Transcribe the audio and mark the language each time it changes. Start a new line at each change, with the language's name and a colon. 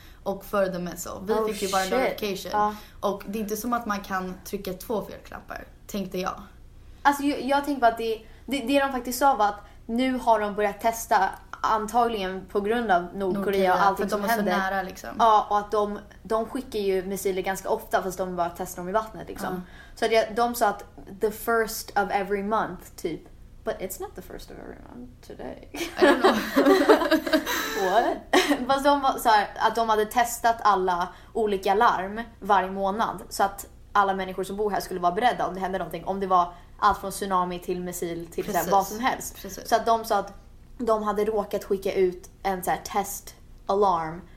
Swedish: Och för
English: the missile.
Swedish: Vi fick ju bara en notification. Och det är inte som att man kan trycka två felknappar, tänkte jag. Alltså jag tänkte på att det de faktiskt sa var att nu har de börjat testa, antagligen på grund av Nordkorea och allting som händer. För de är så nära liksom. Ja, och att de skickar ju missiler ganska ofta fast de bara testar dem i vattnet liksom. Så att de sa att
English: the first of every month
Swedish: typ.
English: But it's not the first of every month today. I don't know. What?
Swedish: Fast de var såhär, att de hade testat alla olika larm varje månad. Så att alla människor som bor här skulle vara beredda om det hände någonting. Om det var allt från tsunami till missil till så här, vad som helst. Precis. Så att de sa att de hade råkat skicka ut en så här test alarm.